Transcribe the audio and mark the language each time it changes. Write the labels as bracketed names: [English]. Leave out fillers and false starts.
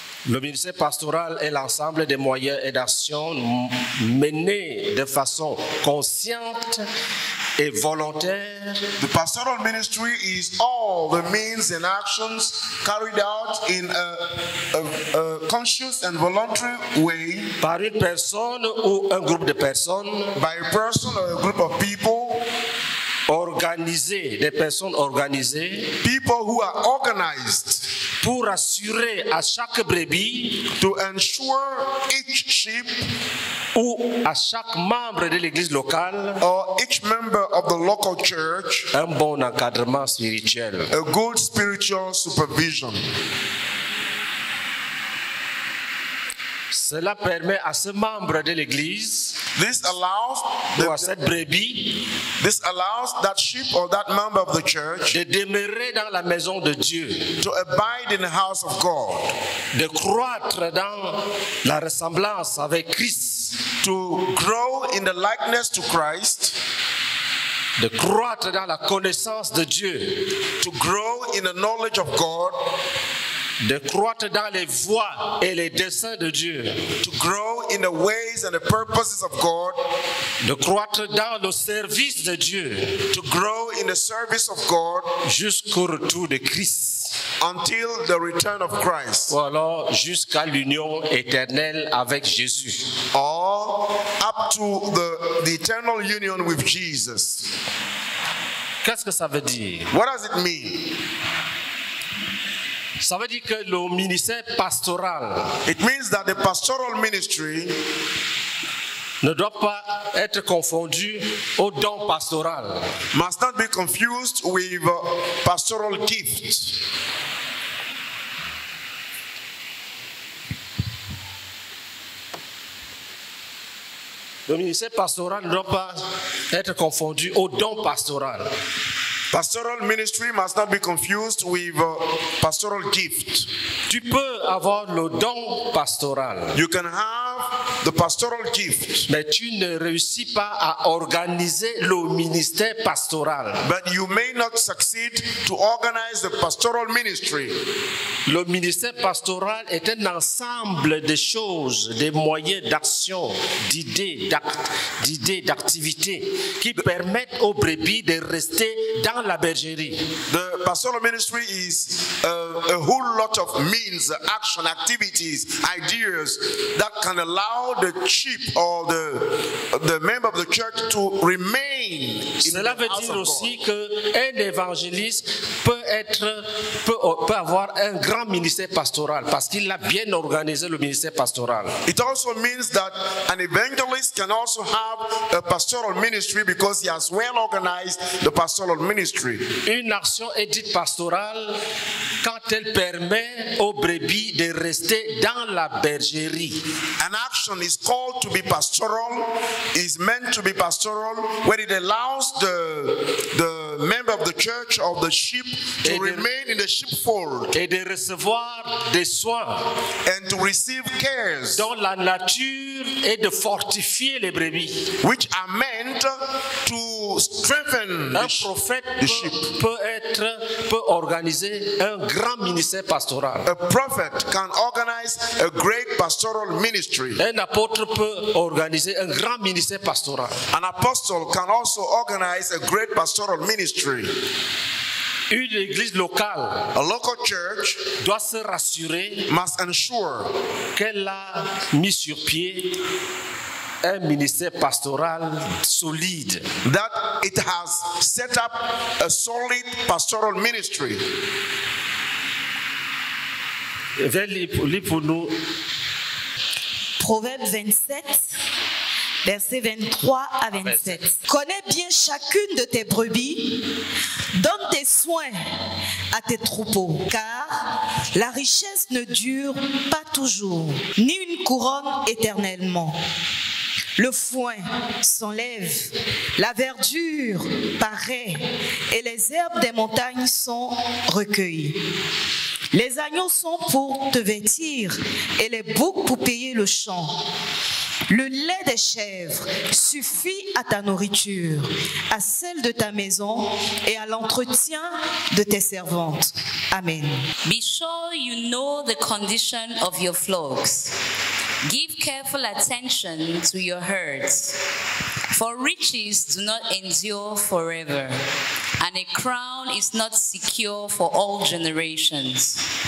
[French] Le ministère pastoral est l'ensemble des moyens et d'actions menés de façon consciente et volontaire. [English] The pastoral ministry is all the means and actions carried out in a conscious and voluntary way. [French] Par une personne ou un groupe de personnes. [English] By a person or a group of people. [French] Organisées, des personnes organisées. [English] People who are organized. [French] Pour assurer à chaque brebis. [English] To ensure each sheep. [French] Ou à chaque membre de l'église locale. [English] Or each member of the local church. [French] Un bon encadrement spirituel. [English] A good spiritual supervision. [French] Cela permet à ce membre de l'église. [English] This allows the, [French] ou à cette brebis. [English] This allows that sheep or that member of the church. [French] De demeurer dans la maison de Dieu. [English] To abide in the house of God. [French] De croître dans la ressemblance avec Christ. [English] To grow in the likeness to Christ. [French] De croître dans la connaissance de Dieu. [English] To grow in the knowledge of God. [French] De croître dans les voies et les desseins de Dieu. [English] To grow in the ways and the purposes of God. [French] De croître dans le service de Dieu. [English] To grow in the service of God. [French] Jusqu'au retour de Christ. [English] Until the return of Christ. [French] Ou alors jusqu'à l'union éternelle avec Jésus. [English] Or up to the eternal union with Jesus. [French] Qu'est-ce que ça veut dire? [English] What does it mean? [French] Ça veut dire que le ministère pastoral, [English] it means that the pastoral ministry, [French] ne doit pas être confondu au don pastoral. [English] Must not be confused with pastoral gift. [French] Le ministère pastoral ne doit pas être confondu au don pastoral. [English] Pastoral ministry must not be confused with pastoral gift. [French] Tu peux avoir le don pastoral. [English] You can have the pastoral gift. [French] Mais tu ne réussis pas à organiser le ministère pastoral. [English] But you may not succeed to organize the pastoral ministry. [French] Le ministère pastoral est un ensemble de choses, des moyens d'action, d'idées, d'activités qui permettent aux brebis de rester dans la bergerie. [English] The pastoral ministry is a whole lot of means, action, activities, ideas that can allow the sheep or the member of the church to remain. [French] Cela veut dire aussi que un évangéliste peut avoir un grand ministère pastoral parce qu'il a bien organisé le ministère pastoral. [English] It also means that an evangelist can also have a pastoral ministry because he has well organized the pastoral ministry. [French] Une action est dite pastorale quand elle permet aux brebis de rester dans la bergerie. [English] An action is called to be pastoral, is meant to be pastoral when it allows the member of the church or the sheep to remain in the sheepfold. [French] Et de recevoir des soins. [English] And to receive cares. [French] Dont la nature est de fortifier les brebis. [English] Which are meant to strengthen the sheep. [French] Peut organiser un grand ministère pastoral. [English] A prophet can organize a great pastoral ministry. [French] Un apôtre peut organiser un grand ministère pastoral. [English] An apostle can also organize a great pastoral ministry. [French] Une église locale, [English] a local church, [French] doit se rassurer, [English] must ensure, [French] qu'elle a mis sur pied un ministère pastoral solide. [English] That it has set up a solid pastoral ministry. [French] Lis pour nous. Proverbe 27, versets 23 à 27. Amen. Connais bien chacune de tes brebis, donne tes soins à tes troupeaux, car la richesse ne dure pas toujours, ni une couronne éternellement. Le foin s'enlève, la verdure paraît et les herbes des montagnes sont recueillies. Les agneaux sont pour te vêtir et les boucs pour payer le champ. Le lait des chèvres suffit à ta nourriture, à celle de ta maison et à l'entretien de tes servantes. Amen. [English] Be sure you know the condition of your flocks. Give careful attention to your herds, for riches do not endure forever, and a crown is not secure for all generations.